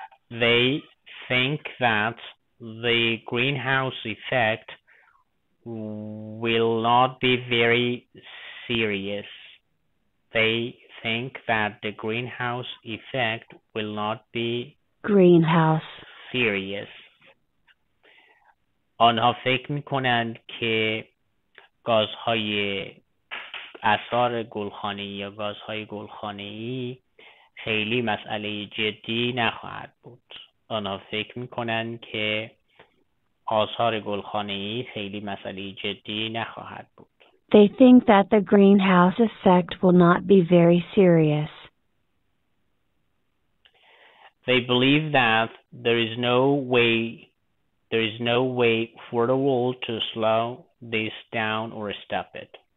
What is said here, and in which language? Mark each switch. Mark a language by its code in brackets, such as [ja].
[en] They think that the greenhouse effect will not be very serious. They think that the greenhouse effect will not be greenhouse serious. [fa] آنها فکر میکنند که گازهای اثار گلخانه‌ای یا گازهای گلخانه‌ای خیلی مسئله جدی نخواهد بود. آنها فکر می‌کنند که آثار گلخانه‌ای خیلی مسئله جدی نخواهد بود. [en] They think that the greenhouse effect will not be very serious. They believe that there is no way for the world to slow this down or stop it.